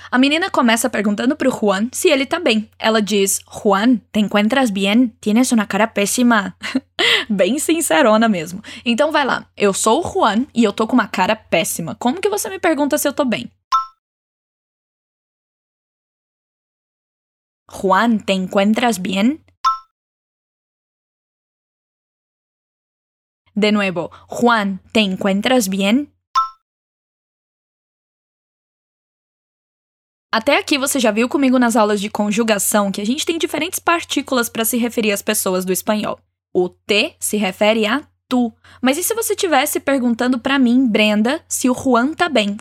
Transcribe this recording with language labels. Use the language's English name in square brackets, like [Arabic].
[Portuguese] A menina começa perguntando pro Juan se ele tá bem. Ela diz, Juan, [Spanish] te encuentras bien? Tienes una cara pésima. [Portuguese] Bem sincerona mesmo. Então vai lá, eu sou o Juan e eu tô com uma cara péssima. Como que você me pergunta se eu tô bem? [Spanish] Juan, te encuentras bien? [Portuguese] De novo, [Spanish] Juan, te encuentras bien? [Portuguese] Até aqui você já viu comigo nas aulas de conjugação que a gente tem diferentes partículas para se referir às pessoas do espanhol. O te se refere a tu. Mas e se você estivesse perguntando para mim, Brenda, se o Juan tá bem?